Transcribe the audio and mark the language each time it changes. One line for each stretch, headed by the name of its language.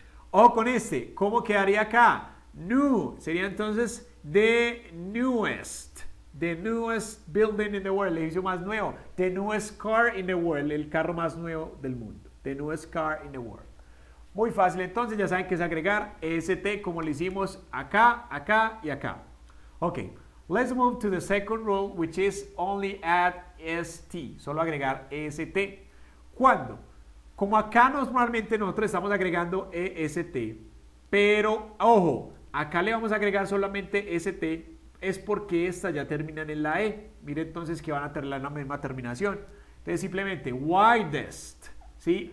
English: O con este, ¿cómo quedaría acá? New,
Spanish: sería entonces
English: the newest building in the world,
Spanish: el edificio más nuevo,
English: the newest car in the world,
Spanish: el carro más nuevo del mundo,
English: the newest car in the world.
Spanish: Muy fácil, entonces ya saben que es agregar EST como lo hicimos acá, acá y acá.
English: Ok, let's move to the second rule, which is only add ST,
Spanish: solo agregar EST. ¿Cuándo? Como acá normalmente nosotros estamos agregando EST, pero ojo, acá le vamos a agregar solamente ST, es porque estas ya terminan en la E. Mire entonces que van a tener la misma terminación. Entonces simplemente widest, ¿sí?